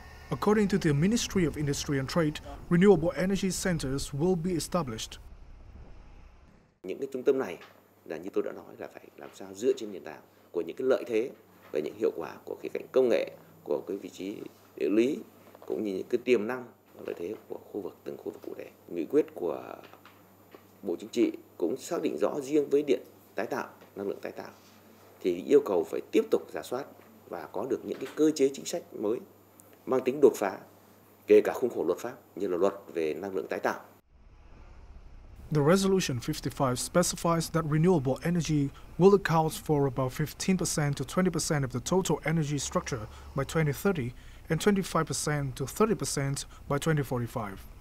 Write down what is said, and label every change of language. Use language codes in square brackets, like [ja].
[en] According to the Ministry of Industry and Trade, renewable energy centers will be established. [vi] Những cái trung tâm này là như tôi đã nói là phải làm sao dựa trên nền tảng của những cái lợi thế và những hiệu quả của khía cạnh công nghệ, của cái vị trí địa lý cũng như những cái tiềm năng và lợi thế của khu vực, từng khu vực cụ thể. Nghị quyết của Bộ Chính trị cũng xác định rõ riêng với điện tái tạo, năng lượng tái tạo thì yêu cầu phải tiếp tục rà soát và có được những cái cơ chế chính sách mới mang tính đột phá, kể cả khung khổ luật pháp như là luật về năng lượng tái tạo. [en] The Resolution 55 specifies that renewable energy will account for about 15% to 20% of the total energy structure by 2030 and 25% to 30% by 2045.